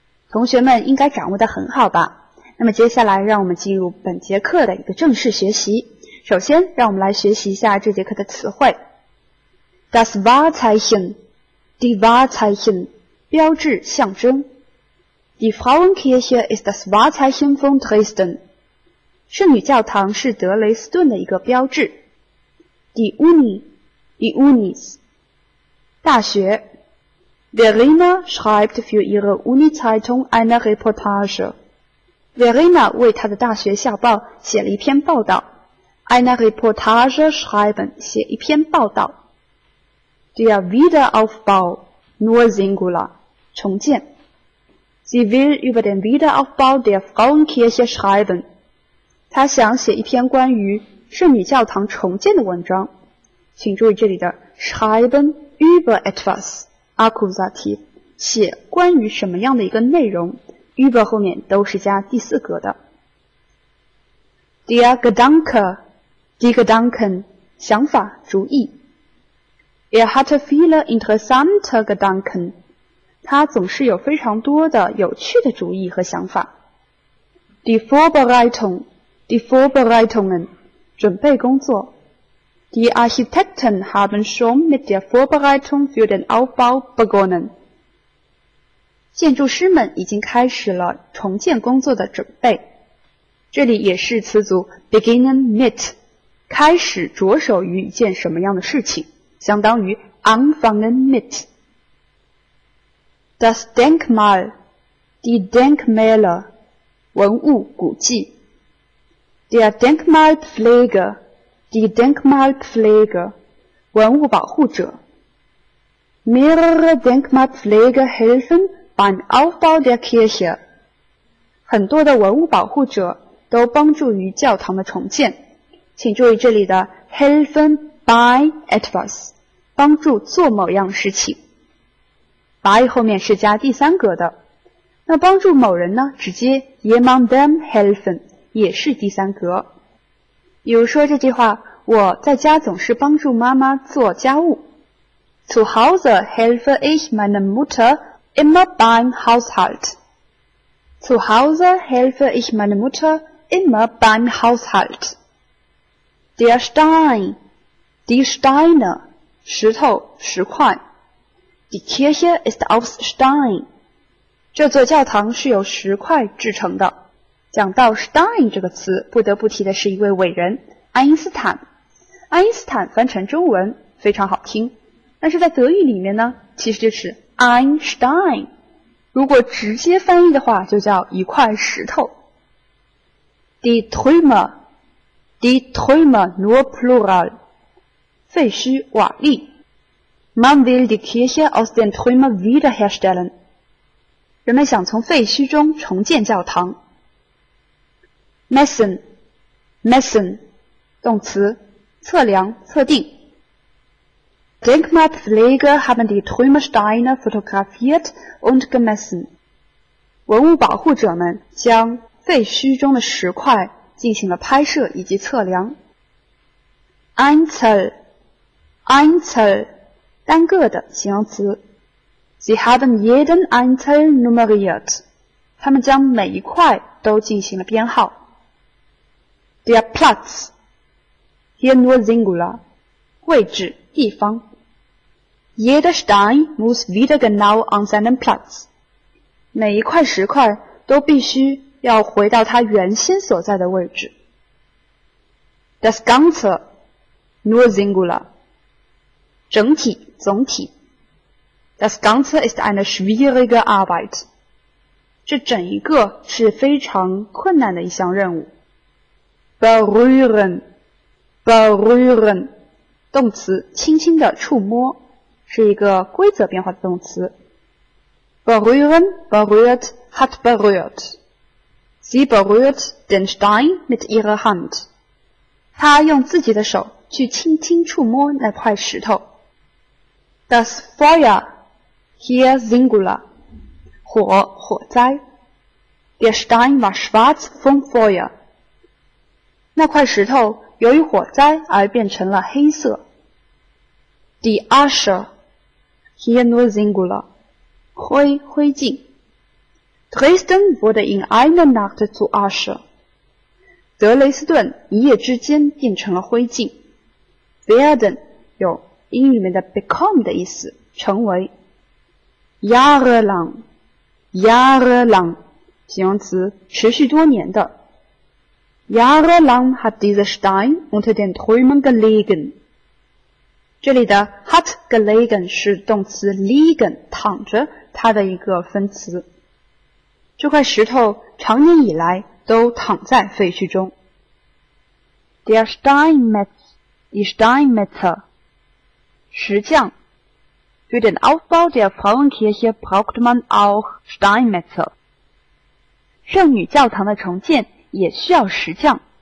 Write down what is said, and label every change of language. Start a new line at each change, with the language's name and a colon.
Chinese: 同学们应该掌握得很好吧？那么接下来让我们进入本节课的一个正式学习。首先让我们来学习一下这节课的词汇。
German: Das WahrzeichenDie Wahrzeichen,
Chinese: 标志象征。
German: Die Frauenkirche ist das Wahrzeichen von Dresden.
Chinese: 圣女教堂是德雷斯顿的一个标志。
German: Die Uni, die Unis,
Chinese: 大学。
German: Verena schreibt für ihre Uni-Zeitung eine Reportage.
Chinese: Verena 为她的大学校报写了一篇报道。
German: Eine Reportage schreiben,
Chinese: 写一篇报道。
German: Der Wiederaufbau, nur Singular,
Chinese: 重建。
German: Sie will über den Wiederaufbau der Frauenkirche schreiben.
Chinese: 她想写一篇关于圣女教堂重建的文章。请注意这里的 schreiben
German: über etwas, Akkusativ,
Chinese: 写关于什么样的一个内容。über 后面都是加第四格的。
German: Der Gedanke, die Gedanken,
Chinese: 想法、主意。
German: Er hatte viele interessante Gedanken.
Chinese: 他总是有非常多的有趣的主意和想法。
German: Die Vorbereitung, die Vorbereitungen,
Chinese: 准备工作。
German: Die Architekten haben schon mit der Vorbereitung für den Aufbau begonnen.
Chinese: 建筑师们已经开始了重建工作的准备。这里也是词组
German: beginnen mit,
Chinese: 开始着手于一件什么样的事情。相当于
German: anfangen mit. Das Denkmal, die Denkmäler,
Chinese: 文物古迹。
German: Der Denkmalpfleger, die Denkmalpfleger,
Chinese: 文物保护者。
German: Mehrere Denkmalpfleger helfen beim Aufbau der Kirche.
Chinese: 很多的文物保护者都帮助于教堂的重建。请注意这里的
German: helfen by etwas.
Chinese: 帮助做某样事情。by 后面是加第三格的。那帮助某人呢直接
German: jemandem helfen,
Chinese: 也是第三格。比如说这句话我在家总是帮助妈妈做家务。
German: Zu Hause helfe ich meine Mutter immer beim Haushalt. Zu Hause helfe ich meine Mutter immer beim Haushalt. Der Stein, die Steine,
Chinese: 石头、石块。
German: Die Kirche ist aus Stein.
Chinese: 这座教堂是由石块制成的。讲到 Stein 这个词，不得不提的是一位伟人，爱因斯坦。爱因斯坦翻成中文，非常好听。但是在德语里面呢，其实就是 Einstein。如果直接翻译的话，就叫一块石头。
German: Die Trümmer. Die Trümmer nur Plural.
Chinese: 废墟瓦砾。
German: Man will die Kirche aus den Trümmern wiederherstellen.
Chinese: 人们想从废墟中重建教堂。
German: Messen,
Chinese: messen, 动词，测量、测定。
German: Denkmalpfleger haben die Trümmersteine fotografiert und gemessen.
Chinese: 文物保护者们将废墟中的石块进行了拍摄以及测量。
German: Einzel,
Chinese: 单个的形容词。
German: Sie haben jeden Einzel nummeriert.
Chinese: 他们将每一块都进行了编号。
German: Der Platz, hier nur singular,
Chinese: 位置、地方。
German: Jeder Stein muss wieder genau an seinen Platz,
Chinese: 每一块石块都必须要回到它原先所在的位置。
German: Das Ganze, nur singular,
Chinese: 整体、总体。
German: Das Ganze ist eine schwierige Arbeit,
Chinese: 这整一个是非常困难的一项任务。
German: Berühren, berühren,
Chinese: 动词轻轻的触摸是一个规则变化的动词。
German: Berühren, berührt, hat berührt. Sie berührt den Stein mit ihrer Hand.
Chinese: 她用自己的手去轻轻触摸那块石头。
German: Das Feuer, hier singular,
Chinese: 火、火灾。
German: Der Stein war schwarz vom Feuer.
Chinese: 那块石头由于火灾而变成了黑色。
German: The Asche, hier nur singular,
Chinese: 灰灰烬。
German: Dresden wurde in einer Nacht zu Asche,
Chinese: 德雷斯顿一夜之间变成了灰烬。
German: Werden,
Chinese: 有英语里面的 become 的意思，成为。
German: Jahrelang, Jahrelang,
Chinese: 形容词，持续多年的。
German: Jahrelang hat dieser Stein unter den Trümmern gelegen.
Chinese: 这里的
German: hat gelegen
Chinese: 是动词 liegen, 躺着它的一个分词。这块石头长年以来都躺在废墟中。
German: Der Steinmetz, die Steinmetzer,
Chinese: 石匠。
German: Für den Aufbau der Frauenkirche braucht man auch Steinmetzer.
Chinese: 圣女教堂的重建也需要石匠。